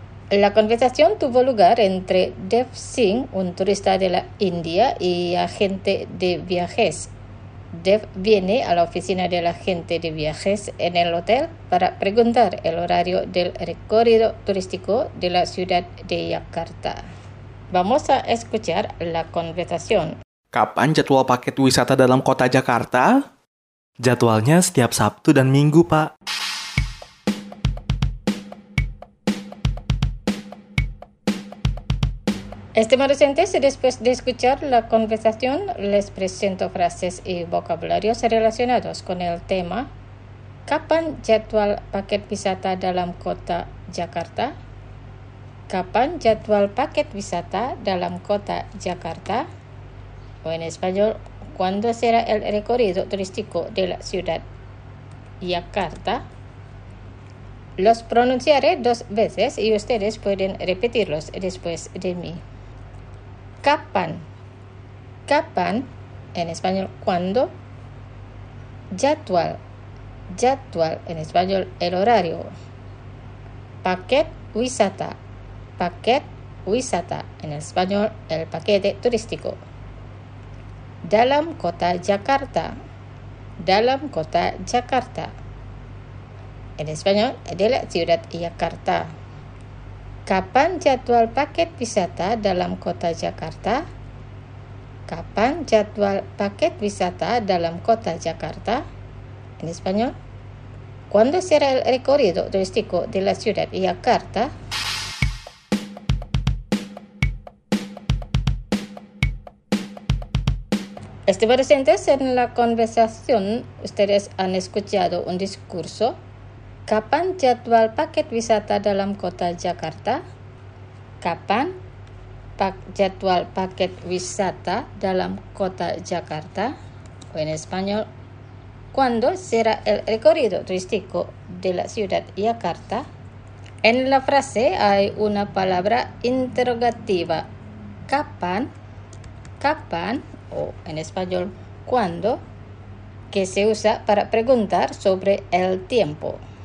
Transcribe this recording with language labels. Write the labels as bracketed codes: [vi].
[es] La conversación tuvo lugar entre Dev Singh, un turista de la India y agente de viajes. Dev viene a la oficina del agente de viajes en el hotel para preguntar el horario del recorrido turístico de la ciudad de Jakarta. Vamos a escuchar la conversación. [id] ¿Kapan jadwal paket wisata dalam kota Jakarta? Jadwalnya setiap Sabtu dan Minggu, Pak. [es] Estimados oyentes, después de escuchar la conversación, les presento frases y vocabularios relacionados con el tema [id] ¿Kapan jadwal paket wisata dalam kota Jakarta? ¿Kapan jadwal paket wisata dalam kota Jakarta? [es] O en español, ¿cuándo será el recorrido turístico de la ciudad Jakarta? Los pronunciaré dos veces y ustedes pueden repetirlos después de mí. Kapan. Kapan, en español, ¿cuándo? Jadwal. Jadwal, en español, el horario. Paket wisata. Paket wisata, en español, el paquete turístico. [id] Dalam kota Jakarta. Dalam kota Jakarta. [es] En español, de la ciudad Jakarta. [id] Kapan jadwal paket wisata dalam kota Jakarta? Kapan jadwal paket wisata dalam kota Jakarta? [es] En español. ¿Cuándo será el recorrido turístico de la ciudad Jakarta? Estimados oyentes, en la conversación ustedes han escuchado un discurso. [id] ¿Kapan jadwal paket wisata dalam kota Jakarta? ¿Kapan jadwal paket wisata dalam kota Jakarta? [es] O en español, ¿cuándo será el recorrido turístico de la ciudad Jakarta? En la frase hay una palabra interrogativa. ¿Kapan? ¿Kapan? O en español, ¿cuándo? Que se usa para preguntar sobre el tiempo.